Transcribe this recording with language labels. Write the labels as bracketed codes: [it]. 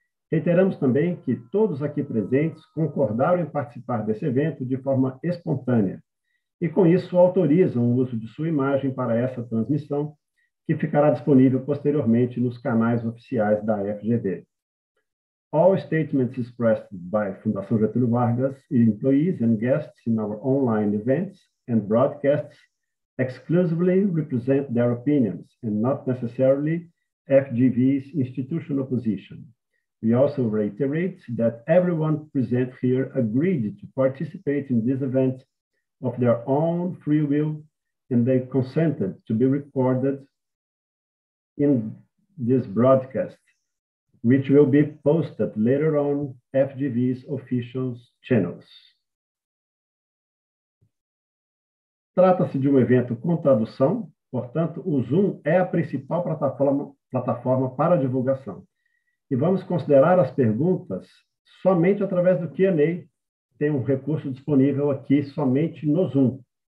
[pt] Reiteramos também que todos aqui presentes concordaram em participar desse evento de forma espontânea, e com isso autorizam o uso de sua imagem para essa transmissão, que ficará disponível posteriormente nos canais oficiais da FGV. [en] All statements expressed by Fundação Getúlio Vargas, employees and guests in our online events and broadcasts exclusively represent their opinions and not necessarily FGV's institutional position. We also reiterate that everyone present here agreed to participate in this event of their own free will and they consented to be recorded in this broadcast, which will be posted later on FGV's official channels. [pt] Trata-se de um evento com tradução, portanto, o Zoom é a principal plataforma para divulgação. E vamos considerar as perguntas somente através do Q&A, tem um recurso disponível aqui somente no Zoom.